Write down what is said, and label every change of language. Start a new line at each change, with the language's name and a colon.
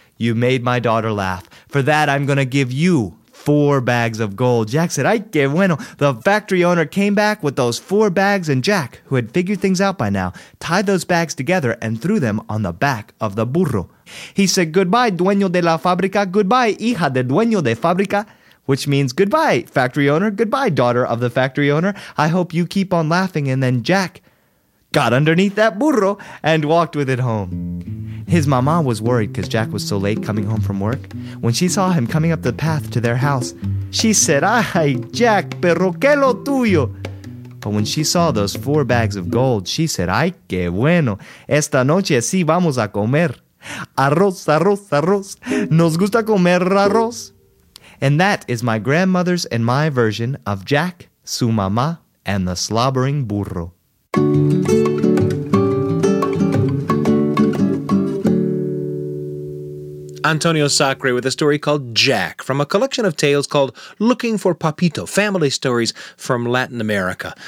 English: You made my daughter laugh. For that, I'm going to give you 4 bags of gold. Jack said,
Spanish: ay, qué bueno.
English: The factory owner came back with those 4 bags, and Jack, who had figured things out by now, tied those bags together and threw them on the back of the burro. He said, goodbye,
Spanish: dueño de la fábrica.
English: Goodbye,
Spanish: hija de dueño de fábrica.
English: Which means, goodbye, factory owner. Goodbye, daughter of the factory owner. I hope you keep on laughing. And then Jack got underneath that burro, and walked with it home. His mama was worried because Jack was so late coming home from work. When she saw him coming up the path to their house, she said,
Spanish: "Ay, Jack, pero que lo tuyo."
English: But when she saw those four bags of gold, she said,
Spanish: "Ay, qué bueno. Esta noche sí vamos a comer. Arroz, arroz, arroz. Nos gusta comer arroz."
English: And that is my grandmother's and my version of Jack, su mamá, and the slobbering burro. Antonio Sacre with a story called Jack from a collection of tales called Looking for Papito, Family Stories from Latin America.